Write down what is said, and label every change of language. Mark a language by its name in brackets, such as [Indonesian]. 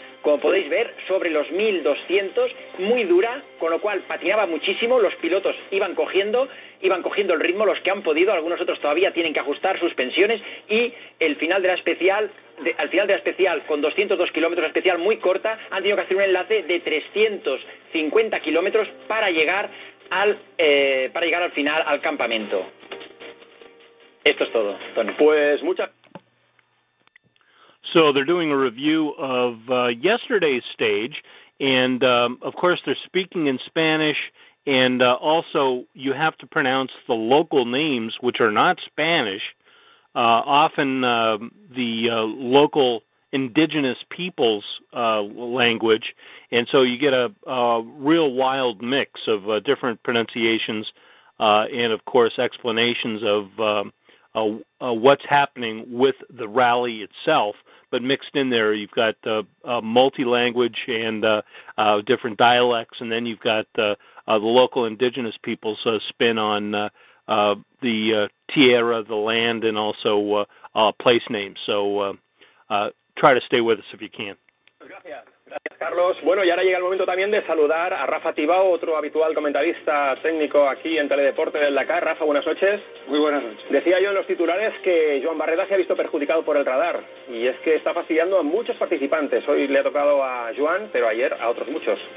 [Spanish] Como podéis ver, sobre los 1.200, muy dura, con lo cual patinaba muchísimo, los pilotos iban cogiendo el ritmo, los que han podido, algunos otros todavía tienen que ajustar suspensiones, y el final de la especial, con 202 kilómetros, especial muy corta, han tenido que hacer un enlace de 350 kilómetros para llegar al final, al campamento. Esto es todo, Tony. Pues muchas... [English] So they're doing a review of yesterday's stage, and of course they're speaking in Spanish, and also you have to pronounce the local names, which are not Spanish. Often the local indigenous people's language, and so you get a real wild mix of different pronunciations and, of course, explanations of what's happening with the rally itself. But mixed in there, you've got multi-language and different dialects, and then you've got the local indigenous people's spin on the tierra, the land, and also place names. So try to stay with us if you can. [Spanish] Gracias, Carlos. Bueno, y ahora llega el momento también de saludar a Rafa Tibau, otro habitual comentarista técnico aquí en Teledeporte del Dakar. Rafa, buenas noches. Muy buenas noches. Decía yo en los titulares que Joan Barreda se ha visto perjudicado por el radar, y es que está fastidiando a muchos participantes. Hoy le ha tocado a Joan, pero ayer a otros muchos.